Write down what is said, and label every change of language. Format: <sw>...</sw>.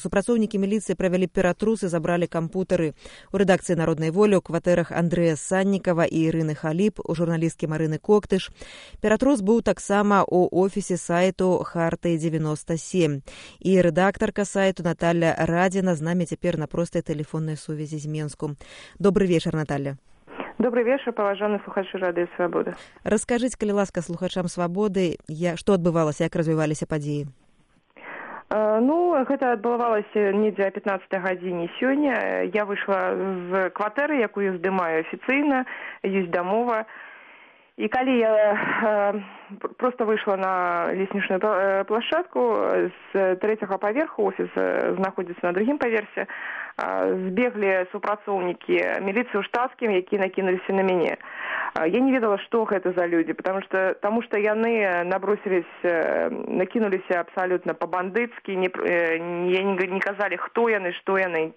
<be>Супрацоўнікі міліцыі правялі ператрус і забралі кампутары. У рэдакцыі «Народнай волі» у кватэрах Андрэя Саннікава і Ірыны Халіп, у журналісткі Марыны Коктыш. Ператрус быў таксама у офісе сайту «Харты-97». І рэдактарка сайту Наталля Радзіна з намі цяпер на простай тэлефоннай сувязі з Менску. Добры вечар, Наталля.</be> <ru>Добрый вечер, поважаемые слухачи Радио Свобода. Расскажите, коли ласка, слухачам Свободы, что отбывалось, как развивались подеи? Ну, это отбывалось недзе 15-й године сёння. Я вышла из кватеры, якую здымаю официально, есть домова. И коли я просто вышла на лестничную площадку, с третьего поверху офис находится на другом поверсе,</ru> <be>збеглі супрацоўнікі міліцыі ў штатскім, якія накінуліся на мяне. Я не ведала, што гэта за людзі, таму што яны накінуліся абсалютна па-бандыцкі, не казалі, хто яны, што яны.</be>